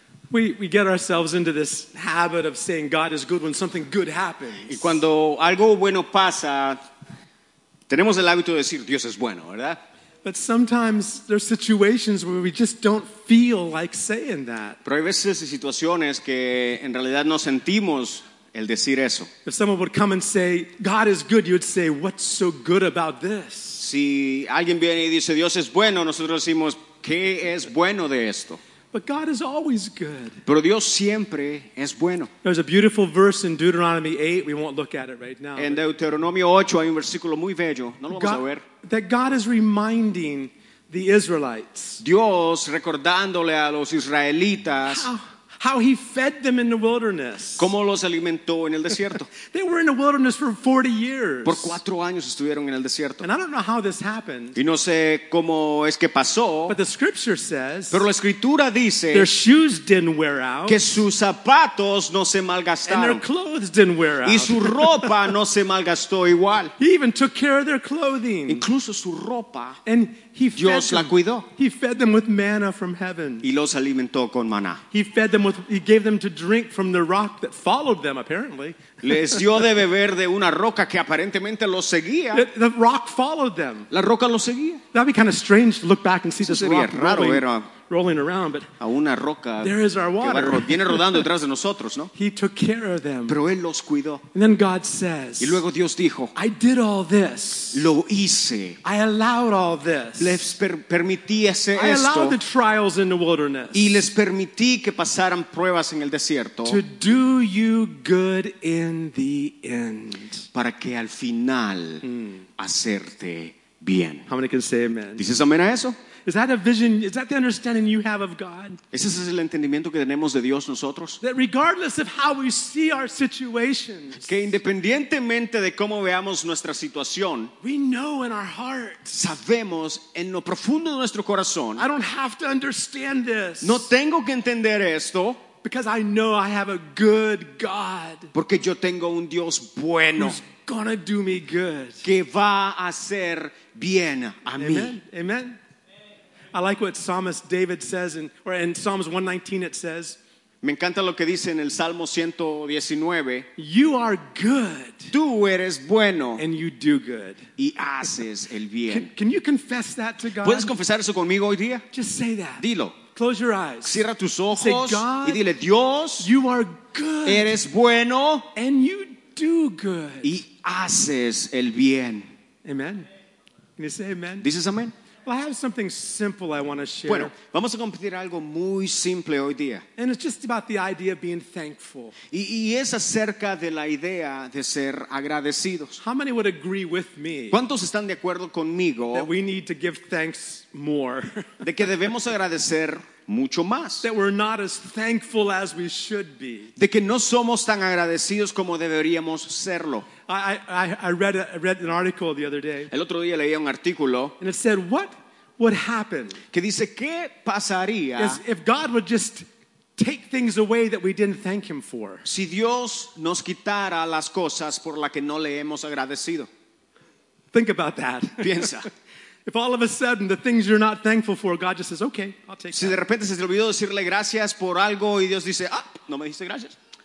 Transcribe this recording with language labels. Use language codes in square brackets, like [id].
[en] We get ourselves into this habit of saying God is good when something good happens. [es] Y cuando algo bueno pasa, tenemos el hábito de decir Dios es bueno, ¿verdad? [en] But sometimes there are situations where we just don't feel like saying that. [es] Pero hay veces y situaciones que en realidad no sentimos el decir eso. [en] If someone would come and say God is good, you'd say, what's so good about this? [es] Si alguien viene y dice Dios es bueno, nosotros decimos ¿qué es bueno de esto? [en] But God is always good. [es] Pero Dios siempre es bueno. [en] There's a beautiful verse in Deuteronomy 8. We won't look at it right now. [es] En Deuteronomio 8 hay un versículo muy bello. No lo vamos a ver. [en] That God is reminding the Israelites. [es] Dios recordándole a los israelitas. [en] How he fed them in the wilderness. [es] ¿Cómo los alimentó en el desierto? [en] They were in the wilderness for 40 years. [es] Por 4 años estuvieron en el desierto. [en] And I don't know how this happened. [es] Y no sé cómo es que pasó. [en] But the scripture says. [es] Pero la escritura dice. [en] Their shoes didn't wear out. [es] Que sus zapatos no se malgastaron. [en] And their clothes didn't wear out. [es] Y su ropa no se malgastó igual. [en] He even took care of their clothing. [es] Incluso su ropa. [en] And [es] Dios la cuidó. [en] He fed them with manna from heaven. [es] Y los alimentó con maná. [en] He gave them to drink from the rock that followed them, apparently. [es] Les dio de beber de una roca que aparentemente los seguía. [en] The rock followed them. [es] La roca los seguía. [en] That'd be kind of strange to look back and see this rock [es] raro [en] rolling around, but [es] a una roca [en] there is our water. [es] Viene rodando detrás de nosotros, ¿no? [en] He took care of them. [es] Pero él los cuidó. [en] And then God says, [es] y luego Dios dijo, [en] I did all this. [es] Lo hice. [en] I allowed all this. [es] Les permití hacer [en] I [es] esto. [en] Allowed the trials in the wilderness. [es] Y les permití que pasaran pruebas en el desierto. [en] To do you good in the end. [es] Para que al final hacerte bien. [en] How many can say amen? [es] ¿Dices amén a eso? [en] Is that a vision? Is that the understanding you have of God? [es] ¿Ese es el entendimiento que tenemos de Dios nosotros? [en] That regardless of how we see our situations, [es] que independientemente de cómo veamos nuestra situación, [en] we know in our heart, [es] sabemos en lo profundo de nuestro corazón, [en] I don't have to understand this. [es] No tengo que entender esto. [en] Because I know I have a good God. [es] Porque yo tengo un Dios bueno. [en] Who's gonna do me good. [es] Que va a hacer bien a [en] Amen. [es] Mí. [en] Amen. I like what Psalmist David says in Psalms 119 it says. [es] Me encanta lo que dice en el Salmo 119. [en] You are good. [es] Tú eres bueno. [en] And you do good. [es] Y haces el bien. [en] Can you confess that to God? [es] ¿Puedes confesar eso conmigo hoy día? [en] Just say that. [es] Dilo. [en] Close your eyes. [es] Cierra tus ojos. [en] Say, God, [es] y dile, Dios, [en] you are good. [es] Eres bueno. [en] And you do good. [es] Y haces el bien. [en] Amen. Can you say amen? [es] Dices amén. [en] Well, I have something simple I want to share. [es] Bueno, vamos a compartir algo muy simple hoy día. [en] And it's just about the idea of being thankful. [es] Y es acerca de la idea de ser agradecidos. [en] How many would agree with me? [es] ¿Cuántos están de acuerdo conmigo? [en] That we need to give thanks more. [es] De que debemos agradecer mucho más. [en] That we're not as thankful as we should be. [es] De que no somos tan agradecidos como deberíamos serlo. [en] I read an article the other day. [es] El otro día leía un artículo. [en] And it said, what would happen? [es] Que dice, ¿qué pasaría? [en] If God would just take things away that we didn't thank him for. [es] Si Dios nos quitara las cosas por las que no le hemos agradecido. [en] Think about that. [es] Piensa. [en] If all of a sudden the things you're not thankful for, God just says, okay, I'll take [es] si [en] that. [es] Si de repente se te olvidó decirle gracias por algo y Dios dice, ah, no me dijiste gracias.